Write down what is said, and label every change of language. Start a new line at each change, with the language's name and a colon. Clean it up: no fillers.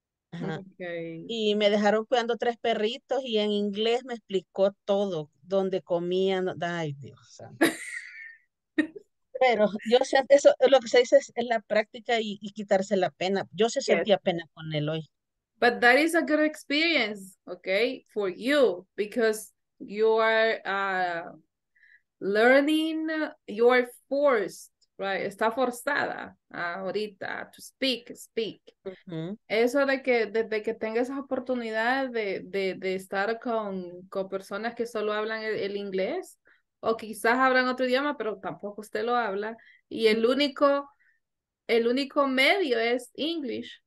Spanish: Okay. Y me dejaron cuidando tres perritos y en inglés me explicó todo, dónde comían, ay Dios santo. Pero yo sé, eso lo que se dice es la práctica y quitarse la pena. Yo se sentía pena con él hoy.
English: But that is a good experience, okay, for you, because you are learning, you are forced, right?
Spanish: Está forzada ahorita
English: to speak. Uh-huh.
Spanish: Eso de que desde que tengas esa oportunidad de estar con personas que solo hablan el inglés, o quizás hablan otro idioma, pero tampoco usted lo habla, y el único medio es English.